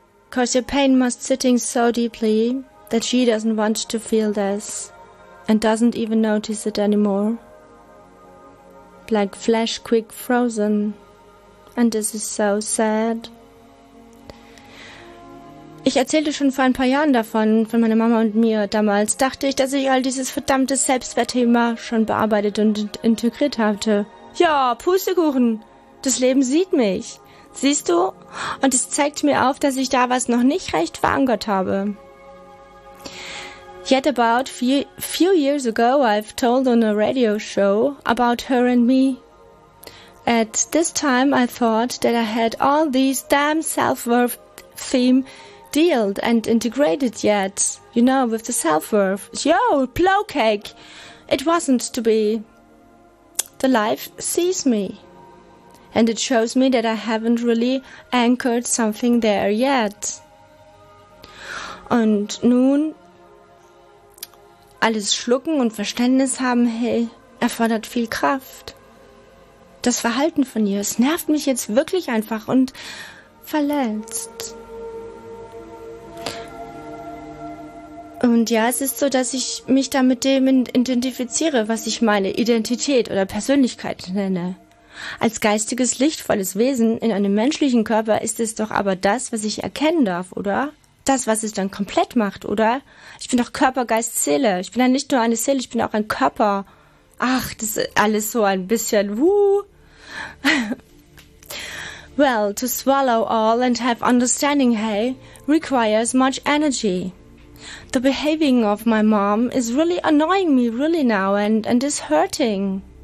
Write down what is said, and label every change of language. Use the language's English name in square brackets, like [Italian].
[English] cause your pain must sitting so deeply that she doesn't want to feel this and doesn't even notice it anymore, like flesh quick frozen, and this is so sad. [German] Ich erzählte schon vor ein paar Jahren davon, von meiner Mama und mir. Damals dachte ich, dass ich all dieses verdammte Selbstwertthema schon bearbeitet und integriert hatte. Ja, Pustekuchen. Das Leben sieht mich. Siehst du? Und es zeigt mir auf, dass ich da was noch nicht recht verankert habe. [English] Yet about few years ago, I've told on a radio show about her and me. At this time, I thought that I had all these damn self-worth theme dealed and integrated yet, you know, with the self-worth. Yo, plow cake! It wasn't to be. The life sees me. And it shows me that I haven't really anchored something there yet. [German] Und nun, alles schlucken und Verständnis haben, hey, erfordert viel Kraft. Das Verhalten von ihr, es nervt mich jetzt wirklich einfach und verletzt. Und ja, es ist so, dass ich mich da mit dem identifiziere, was ich meine Identität oder Persönlichkeit nenne. Als geistiges, lichtvolles Wesen in einem menschlichen Körper ist es doch aber das, was ich erkennen darf, oder? Das, was es dann komplett macht, oder? Ich bin doch Körper, Geist, Seele. Ich bin ja nicht nur eine Seele, ich bin auch ein Körper. Ach, das ist alles so ein bisschen wuh. [English] Well, to swallow all and have understanding, hey, requires much energy. The behaving of my mom is really annoying me really now and is hurting.